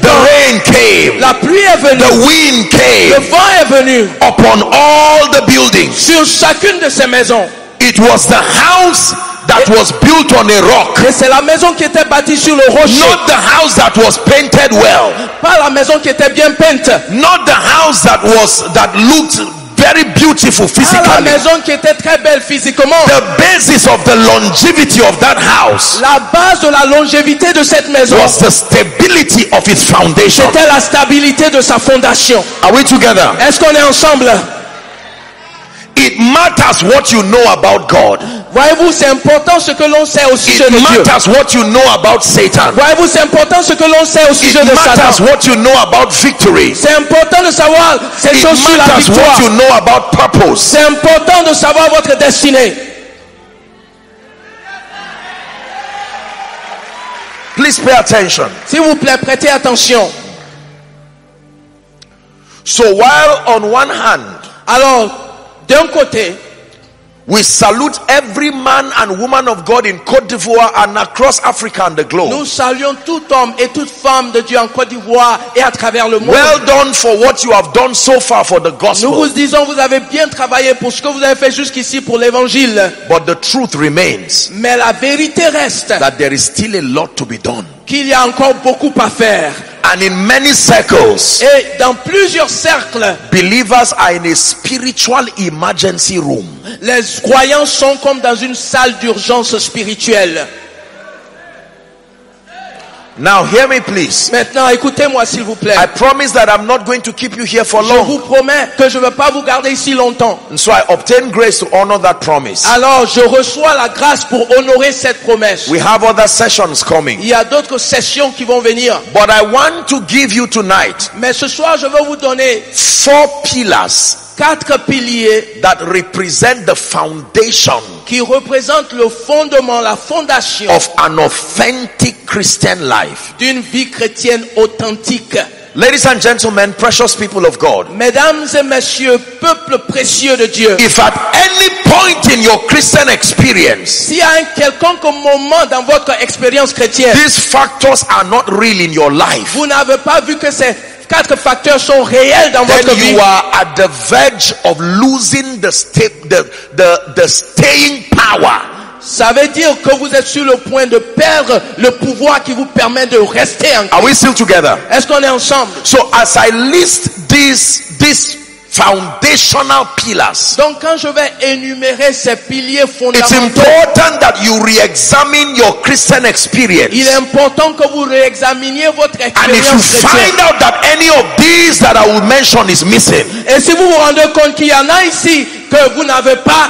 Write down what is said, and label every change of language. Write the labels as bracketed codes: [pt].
[fr] temps, [en] rain came, [fr] la pluie est venue, [en] the wind came, [fr] le vent est venu, [en] upon all the buildings, [fr] sur chacune de ces maisons. [en] It was the house that was built on a rock. [fr] Et c'est la maison qui était bâtie sur le rocher. [en] Not the house that was painted well. [fr] Pas la maison qui était bien peinte. [en] Not the house that looked very beautiful physically. [fr] La maison qui était très belle physiquement. [en] The basis of the longevity of that house. [fr] La base de la longévité de cette maison. [en] Was the stability of its foundation. [fr] C'était la stabilité de sa fondation. [en] Are we together? [fr] Est-ce qu'on est ensemble? [en] It matters what you know about God. [fr] Voyez-vous, c'est important ce que l'on sait au sujet de Dieu. [en] It matters what you know about Satan. [fr] Voyez-vous, c'est important ce que l'on sait au sujet de Satan. [en] It matters what you know about victory. [fr] C'est important de savoir ces choses sur la victoire. [en] It matters what you know about purpose. [fr] C'est important de savoir votre destinée. [en] Please pay attention. [fr] S'il vous plaît, prêtez attention. [en] So while on one hand, [fr] alors d'un côté, [en] we salute every man and woman of God in Côte d'Ivoire and across Africa and the globe. [fr] Nous saluons tout homme et toute femme de Dieu en Côte d'Ivoire et à travers le monde. [en] Well done for what you have done so far for the gospel. [fr] Nous vous disons vous avez bien travaillé pour ce que vous avez fait jusqu'ici pour l'évangile. [en] But the truth remains. [fr] Mais la vérité reste. [en] That there is still a lot to be done. [fr] Qu'il y a encore beaucoup à faire. [en] And in many circles, [fr] et dans plusieurs cercles, [en] believers are in a spiritual emergency room. [fr] Les croyants sont comme dans une salle d'urgence spirituelle. [en] Now hear me please. [fr] Maintenant écoutez-moi s'il vous plaît. [en] I promise that I'm not going to keep you here for [fr] je [en] long. [fr] Je vous promets que je ne vais pas vous garder ici longtemps. [en] And so I obtain grace to honor that promise. [fr] Alors je reçois la grâce pour honorer cette promesse. [en] We have other sessions coming. [fr] Il y a d'autres sessions qui vont venir. [en] But I want to give you tonight. [fr] Mais ce soir je veux vous donner [en] 4 pillars. [fr] 4 piliers [en] that represent the foundation [fr] qui représente le fondement, la fondation [en] of an authentic Christian life. [fr] D'une vie chrétienne authentique. [en] Ladies and gentlemen, precious people of God. [fr] Mesdames et messieurs, peuple précieux de Dieu. [en] If at any point in your Christian experience, [fr] si à un quelconque moment dans votre expérience chrétienne, [en] these factors are not real in your life, [fr] vous n'avez pas vu que c'est quatre facteurs sont réels dans [en] then [fr] votre vie. [en] Then you are at the verge of losing the staying power. [fr] Ça veut dire que vous êtes sur le point de perdre le pouvoir qui vous permet de rester encore. [en] Are we still together? [fr] Est-ce qu'on est ensemble? [en] So as I list these foundational pillars. [fr] Donc quand je vais énumérer ces piliers fondamentaux. [en] It's important that you re-examine your Christian experience. [fr] Il est important que vous réexaminiez votre expérience chrétienne. [en] And if you find out that any of these that I will mention is missing. [fr] Et si vous vous rendez compte qu'il y en a ici que vous n'avez pas.